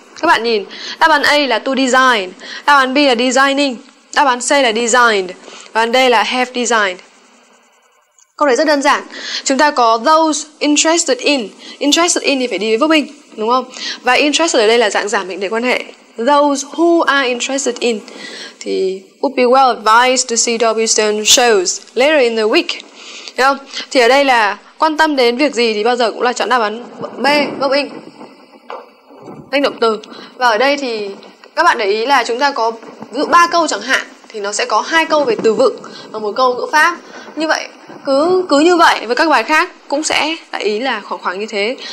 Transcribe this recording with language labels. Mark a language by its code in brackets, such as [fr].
[vi] Các bạn nhìn, đáp án A là to design, đáp án B là designing, đáp án C là designed, và đáp án D là have designed. Câu này rất đơn giản. Chúng ta có [en] those interested in. [vi] Interested in thì phải đi với vô bình, đúng không? Và interested ở đây là dạng giảm mệnh đề quan hệ. [en] Those who are interested in thì would be well advised to see W. Stone shows later in the week. [vi] Đúng không? Thì ở đây là quan tâm đến việc gì thì bao giờ cũng là chọn đáp án B, vô bình, danh động từ. Và ở đây thì các bạn để ý là chúng ta có ví dụ 3 câu chẳng hạn, thì nó sẽ có 2 câu về từ vựng và 1 câu ngữ pháp. Như vậy, cứ như vậy với các bài khác cũng sẽ là ý là khoảng như thế.